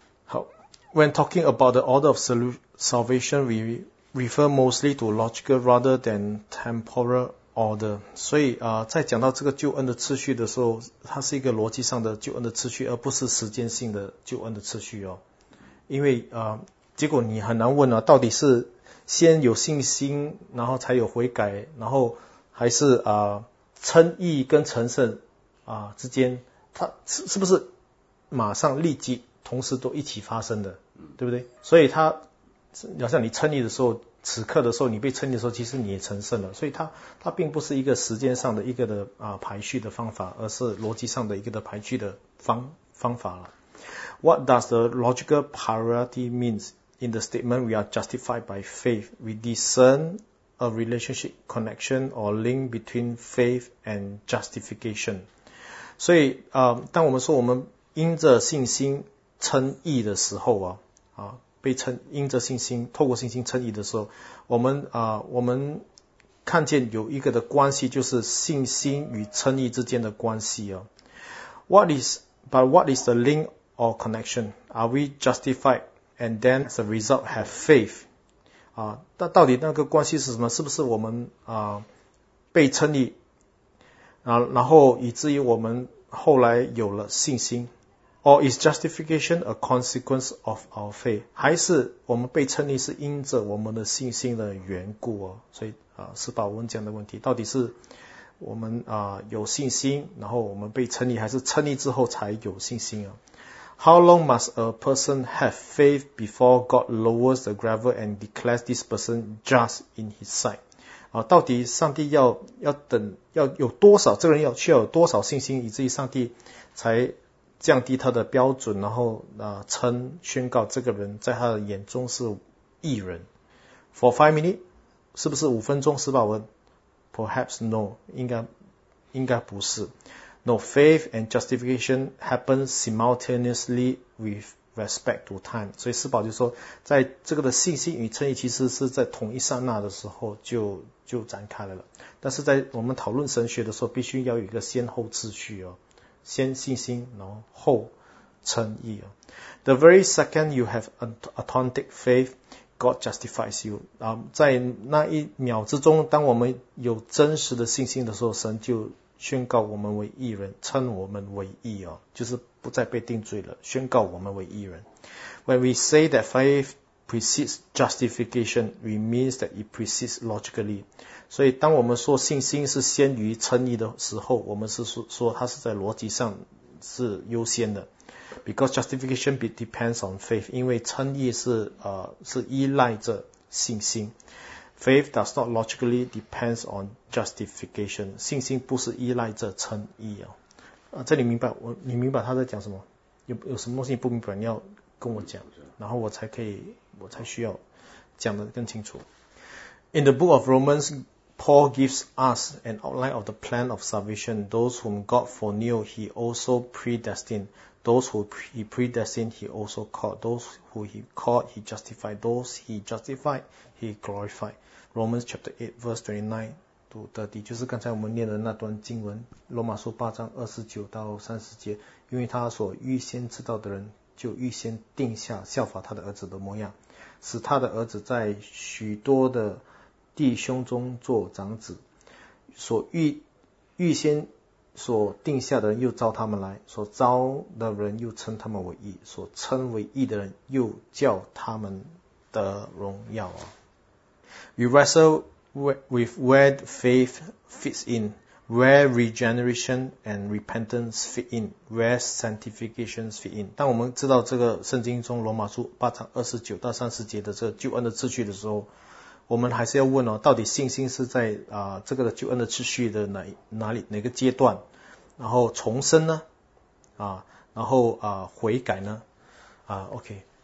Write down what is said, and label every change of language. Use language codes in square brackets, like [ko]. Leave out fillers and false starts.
[en] 好 ，when talking about the order of salvation, we refer mostly to logical rather than temporal order。 [zh] 所以啊，在讲到这个救恩的次序的时候，它是一个逻辑上的救恩的次序，而不是时间性的救恩的次序哦。因为啊，结果你很难问啊，到底是先有信心，然后才有悔改，然后还是啊、称义跟成圣啊、之间，它是不是马上立即同时都一起发生的，对不对？所以它好像你称义的时候，此刻的时候你被称义的时候，其实你也成圣了，所以它并不是一个时间上的一个的啊、排序的方法，而是逻辑上的一个的排序的方法了。 [en] What does the logical priority means? In the statement, we are justified by faith. We discern a relationship, connection, or link between faith and justification. [zh] 所以，当我们说我们因着信心称义的时候啊，啊，被称因着信心，透过信心称义的时候，我们看见有一个的关系，就是信心与称义之间的关系啊。 [en] What is the link or connection? Are we justified? And then as a result have faith. [zh] 啊，那到底那个关系是什么？是不是我们啊、被称义，然后以至于我们后来有了信心 ？ [en] Or is justification a consequence of our faith? [zh] 还是我们被称义是因着我们的信心的缘故哦？所以啊，是保文这样的问题，到底是我们啊、有信心，然后我们被称义，还是称义之后才有信心啊？ [en] How long must a person have faith before God lowers the gravel and declares this person just in his sight? [zh] 啊，到底上帝要有多少，这个人需要有多少信心，以至于上帝才降低他的标准，然后啊、称宣告这个人在他的眼中是义人。 [en] For 5 minutes, [zh] 是不是五分钟？是吧？我 [en] perhaps no, [zh] 应该不是。 [en] No, faith and justification happen simultaneously with respect to time. [zh] 所以施宝就说，在这个的信心与称义其实是在同一刹那的时候就展开来了。但是在我们讨论神学的时候，必须要有一个先后秩序哦，先信心，然后后称义哦。 [en] The very second you have authentic faith, God justifies you. [zh] 啊，在那一秒之中，当我们有真实的信心的时候，神就宣告我们为义人，称我们为义哦，就是不再被定罪了，宣告我们为义人。 [en] When we say that faith precedes justification, we means that it precedes logically. [zh] 所以当我们说信心是先于称义的时候，我们是说它是在逻辑上是优先的。 [en] Because justification depends on faith, [zh] 因为称义是依赖着信心。 [en] Faith does not logically depends on justification. [zh] 信心不是依赖着称义哦。啊，这里明白我，你明白他在讲什么？有什么东西不明白，你要跟我讲，然后我才需要讲得更清楚。 [en] In the book of Romans, Paul gives us an outline of the plan of salvation. Those whom God foreknew, he also predestined. Those who he predestined, he also called. Those who he called, he justified. Those he justified. He glorified. Romans chapter 8 verse 29-30, [zh] 就是刚才我们念的那段经文，罗马书8:29-30，因为他所预先知道的人，就预先定下效法他的儿子的模样，使他的儿子在许多的弟兄中做长子。所预先所定下的人又召他们来，所召的人又称他们为义，所称为义的人又叫他们得荣耀啊。 [en] We wrestle with where faith fits in, where regeneration and repentance fit in, where sanctification fit in. [zh] 当我们知道这个圣经中罗马书8:29-30的这个救恩的秩序的时候，我们还是要问哦，到底信心是在啊、这个救恩的秩序的哪里哪个阶段？然后重生呢？啊，然后啊、悔改呢？啊 ，OK。